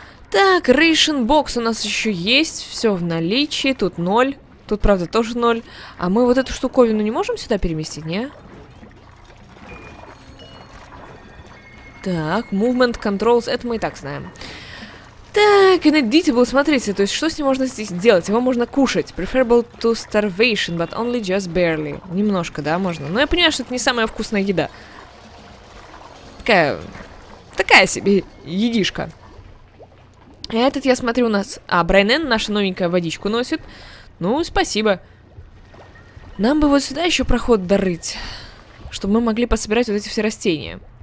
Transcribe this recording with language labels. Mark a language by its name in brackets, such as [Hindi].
[Russian] Так, рейшн бокс у нас еще есть. Все в наличии, тут ноль. Тут, правда, тоже ноль. А мы вот эту штуковину не можем сюда переместить, не? Так, [English] movement controls, [Russian] это мы и так знаем. Так, inedible, смотрите, то есть что с ним можно здесь делать? Его можно кушать. [English] Preferable to starvation, but only just barely. [Russian] Немножко, да, можно. Но я понимаю, что это не самая вкусная еда. Такая себе едишка. Этот, я смотрю, у нас... А, Брайнен, наша новенькая, водичку носит. Ну, спасибо. Нам бы вот сюда еще проход дорыть, чтобы мы могли пособирать вот эти все растения.